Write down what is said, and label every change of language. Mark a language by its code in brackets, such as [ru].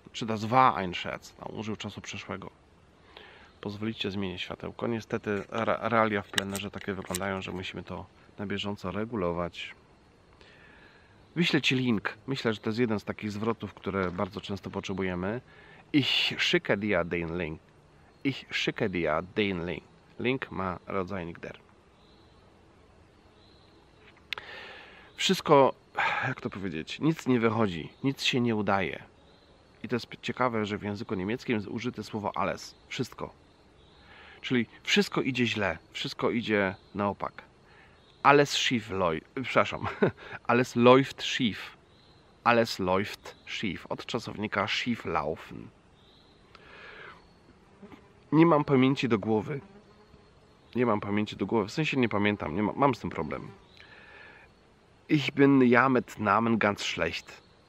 [pl] Czy [de] das war ein Scherz. [pl] No, użył czasu przeszłego. Pozwolicie, zmienię światełko. Niestety realia w plenerze takie wyglądają, że musimy to na bieżąco regulować. Wyślę ci link. Myślę, że to jest jeden z takich zwrotów, które bardzo często potrzebujemy. [de] Ich schicke dir den Link. Ich schicke dir den Link. [pl] Link ma rodzajnik der. Wszystko, jak to powiedzieć, nic nie wychodzi, nic się nie udaje. I to jest ciekawe, że w języku niemieckim jest użyte słowo alles. Wszystko. Czyli wszystko idzie źle, wszystko idzie na opak. [de] Alles schief läuft, [pl] przepraszam, [de] alles läuft schief. Alles läuft schief, [pl] od czasownika [de] schief laufen. [pl] Nie mam pamięci do głowy. Nie mam pamięci do głowy, w sensie nie pamiętam, nie mam z tym problem. [de] Ich bin ja mit Namen ganz schlecht.